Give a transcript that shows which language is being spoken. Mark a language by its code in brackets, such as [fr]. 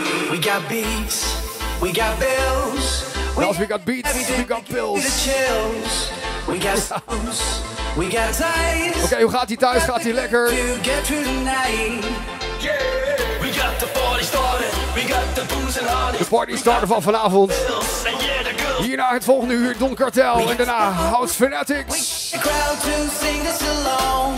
[en] We got beats, we got bills. We got beats, we got pills. We got songs, we got ties. [nl] Oké, hoe gaat hij thuis? Gaat hij lekker? [en] To get through the night. Yeah. We got the party started. We got the booze and honey. [nl] De party starten van vanavond. Hierna het volgende uur Don Cartel. En daarna House Fanatics. [en] We crowd to sing this along.